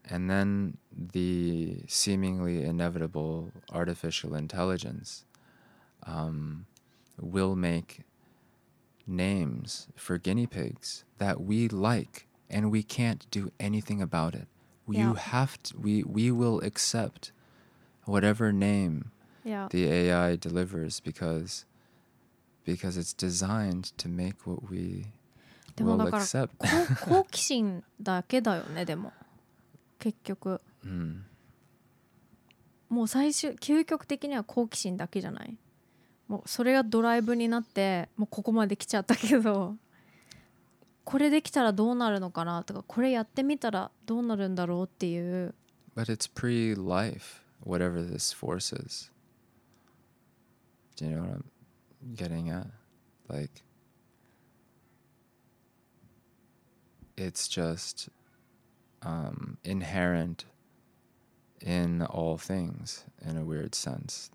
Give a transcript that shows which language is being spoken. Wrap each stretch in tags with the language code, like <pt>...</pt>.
<en>And then the seemingly inevitable artificial intelligence will make names for guinea pigs that we like and we can't do anything about it. We will accept whatever name the AI delivers because it's designed to make what we will accept.</en> <ja>好奇心だけだよね、でも。結局。もう最終、究極的には好奇心だけじゃない。もうそれがドライブになって、もうここまで来ちゃったけど。これできたらどうなるのかなとか、これやってみたらどうなるんだろうっていう。</ja> <en>But it's pre-life, whatever this force is. Do you know what I'm getting at? Like, it's just inherent in all things, in a weird sense.</en>